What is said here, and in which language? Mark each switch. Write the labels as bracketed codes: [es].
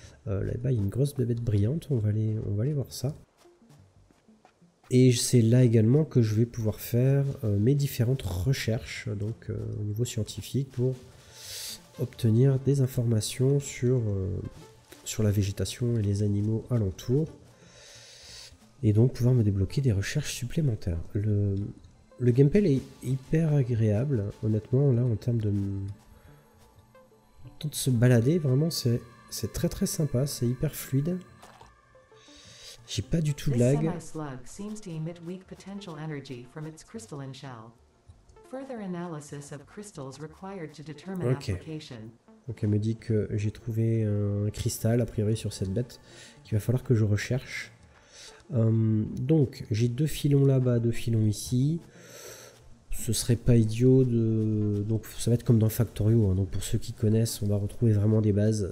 [fr] Là-bas, il y a une grosse bébête brillante. On va aller voir ça. Et c'est là également que je vais pouvoir faire mes différentes recherches donc au niveau scientifique pour obtenir des informations sur la végétation et les animaux alentours et donc pouvoir me débloquer des recherches supplémentaires. Le gameplay est hyper agréable, honnêtement, là en termes de se balader, vraiment c'est très très sympa, c'est hyper fluide. J'ai pas du tout de lag. [en] This semi-slug seems to emit weak potential energy from its crystalline shell. Further analysis of crystals required to determine application. [fr] Donc elle me dit que j'ai trouvé un cristal a priori sur cette bête qu'il va falloir que je recherche. Donc j'ai deux filons là-bas, deux filons ici. Ce serait pas idiot de. Donc ça va être comme dans Factorio. Hein. Donc pour ceux qui connaissent, on va retrouver vraiment des bases.